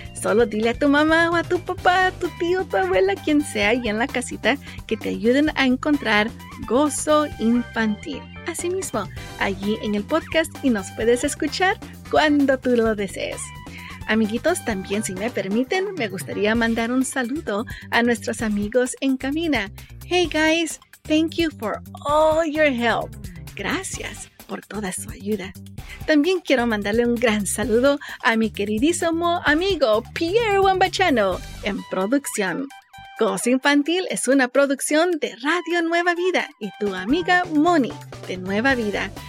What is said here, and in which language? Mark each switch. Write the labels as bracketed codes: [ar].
[es] Solo dile a tu mamá o a tu papá, a tu tío, a tu abuela, quien sea ahí en la casita, que te ayuden a encontrar Gozo Infantil. Asimismo, allí en el podcast y nos puedes escuchar cuando tú lo desees. Amiguitos, también si me permiten, me gustaría mandar un saludo a nuestros amigos en cabina. [en] Hey guys, thank you for all your help. [es] Gracias por toda su ayuda. También quiero mandarle un gran saludo a mi queridísimo amigo Pierre Wambachano en producción. Gozo Infantil es una producción de Radio Nueva Vida y tu amiga Moni de Nueva Vida.